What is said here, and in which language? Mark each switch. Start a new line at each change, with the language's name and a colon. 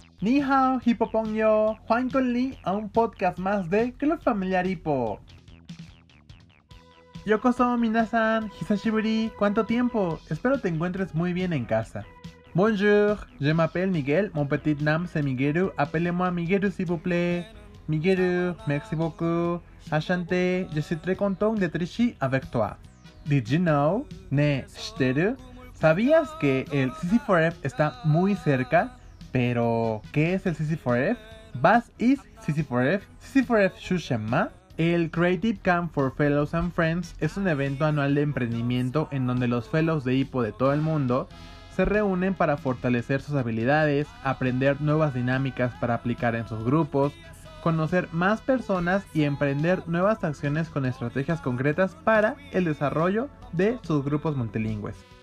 Chinese: Ni hao,
Spanish: Hipopong yo, Juan con Lee a un podcast más de Club Familiar Hipo.
Japanese: Yokoso, minasan, hisashiburi,
Spanish: ¿cuánto tiempo? Espero te encuentres muy bien en casa.
French: Bonjour, je m'appelle Miguel, mon petit nom c'est Migueru, appelez-moi Migueru s'il vous plaît. Migueru, merci beaucoup, enchanté, je suis très content d'être ici avec toi.
English: Did you know?
Japanese: Ne, shiteru?
Spanish: ¿Sabías que el CC4F está muy cerca? Pero, ¿qué es el CC4F? ¿Vas is CC4F? ¿CC4F Shushema? El Creative Camp for Fellows and Friends es un evento anual de emprendimiento en donde los fellows de Hipo de todo el mundo se reúnen para fortalecer sus habilidades, aprender nuevas dinámicas para aplicar en sus grupos, conocer más personas y emprender nuevas acciones con estrategias concretas para el desarrollo de sus grupos multilingües.